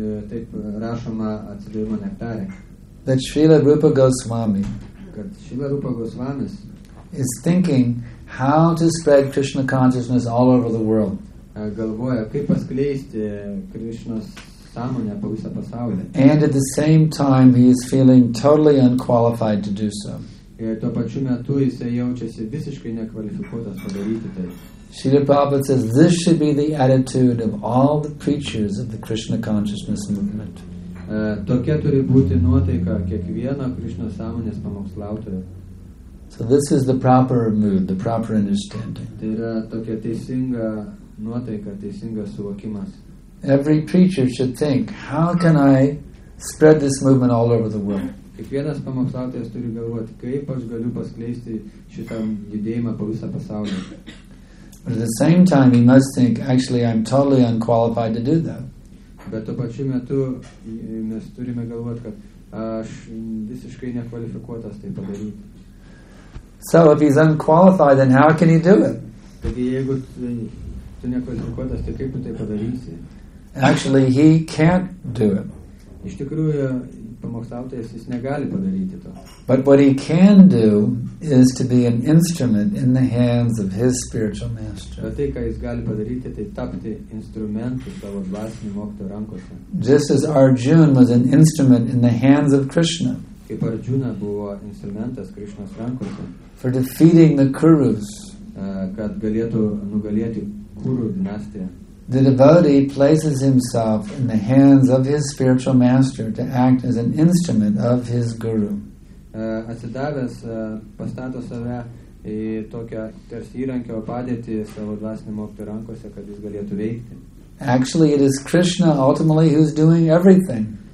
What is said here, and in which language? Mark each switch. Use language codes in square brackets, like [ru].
[lt] Taip rašoma atsidavimo nektare. [en] That Srila Rupa Goswami, [lt] kad Srila Rupa Goswamis, [en] is thinking how to spread Krishna consciousness all over the world. [lt] Galvoja, kaip paskleisti Krishnos sąmonę po visą pasaulį. [en] And at the same time he is feeling totally unqualified to do so. [lt] Ir tuo pačiu metu jis jaučiasi visiškai nekvalifikuotas padaryti tai. [en] Srila Prabhupada says this should be the attitude of all the preachers of the Krishna consciousness movement. [lt] Tokia turi būti nuotaika kiekvieno Krishna sąmonės pamokslautojo. [en] So this is the proper mood, the proper understanding. [lt] Tai yra tokia teisinga nuotaika, teisingas suvokimas. [en] Every preacher should think, how can I spread this movement all over the world? [lt] Kiekvienas pamokslautojas turi galvoti, kaip aš galiu paskleisti šitą judėjimą po visą pasaulį. [en] But at the same time, he must think, actually, I'm totally unqualified to do that. [lt] Bet tuo pačiu metu mes turime galvoti, kad aš visiškai nekvalifikuotas tai padaryti. [en] So if he's unqualified, then how can he do it? [lt] Taigi, jeigu tu nekvalifikuotas, tai kaip tu tai padarysi? [en] Actually, he can't do it. [lt] Iš tikrųjų, pamokslautojas jis negali padaryti to. [en] But what he can do is to be an instrument in the hands of his spiritual master. [lt] Bet tai, ką jis gali padaryti, tai tapti instrumentu savo dvasinio mokytojo rankose. [en] Just as Arjuna was an instrument in the hands of Krishna. [lt] Kaip Arjuna buvo instrumentas Krishnos rankose. [en] For defeating the Kurus. [lt] Kad galėtų nugalėti Kuru dinastiją. [en] The devotee places himself in the hands of his spiritual master to act as an instrument of his guru. [lt] Atsidavęs pastato save į tokią tarsi įrankio padėtį savo dvasinio mokytojo rankose, kad jis galėtų veikti. [en] Actually, it is Krishna ultimately who is doing everything.